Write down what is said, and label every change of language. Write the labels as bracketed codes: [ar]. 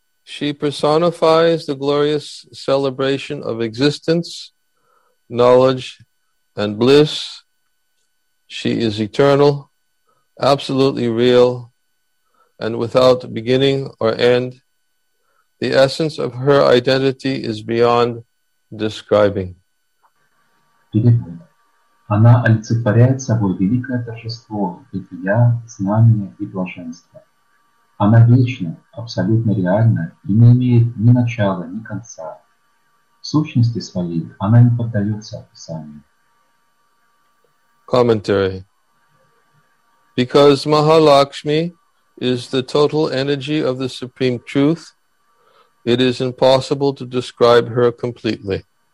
[en] She personifies the glorious celebration of existence, knowledge, and bliss. She is eternal, absolutely real, and without beginning or end. The essence of her identity is beyond describing. [ru] Перевод. Она олицетворяет собой великое торжество, бытия, знания и блаженства. Она вечна, абсолютно реальна и не имеет ни начала, ни конца. В сущности своей она не поддается описанию. [en] Commentary. Because Mahalakshmi is the total energy of the Supreme Truth, it is impossible to describe her completely.